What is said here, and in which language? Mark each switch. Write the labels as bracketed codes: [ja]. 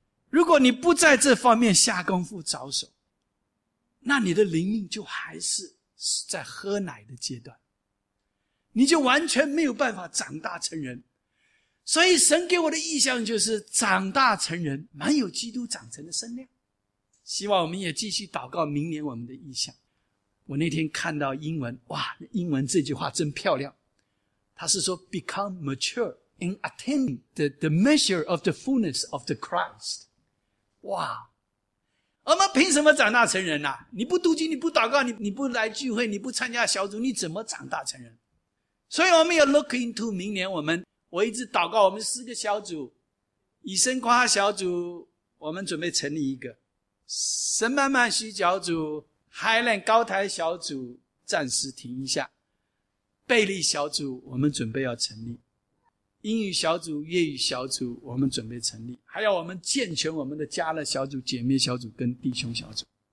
[zh] 如果你不在这方面下功夫着手，那你的灵命就还是在喝奶的阶段，你就完全没有办法长大成人。所以神给我的意象就是长大成人，满有基督长成的身量。希望我们也继续祷告明年我们的意象。我那天看到英文，哇，英文这句话真漂亮，他是说 [en] become mature in attaining the measure of the fullness of the Christ。 [zh] 哇，我们凭什么长大成人啊？你不读经，你不祷告， 你不来聚会，你不参加小组，你怎么长大成人？所以我们要 [en] look into [zh] 明年，我一直祷告我们四个小组，以身夸小组我们准备成立一个，神慢慢需小组，海兰高台小组暂时停一下，贝利小组我们准备要成立，英语小组、粤语小组我们准备成立，还要我们健全我们的家乐小组、姐妹小组跟弟兄小组。